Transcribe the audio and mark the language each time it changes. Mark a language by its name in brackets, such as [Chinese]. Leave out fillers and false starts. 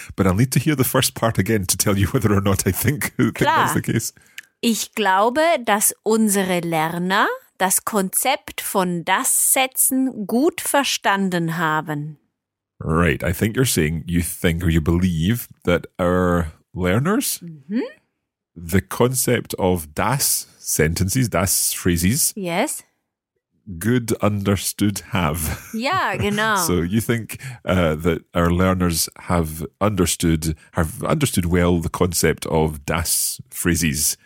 [English] But I'll need to hear the first part again to tell you whether or not I think, that's the case. [German] Ich glaube, dass unsere Lerner das Konzept von Das-Sätzen gut verstanden haben. [English] Right, I think you're saying you think or you believe that our learners, the concept of das sentences, das phrases, yes, good understood have. Yeah, [German] genau. [English] So you think that our learners have understood well the concept of das phrases.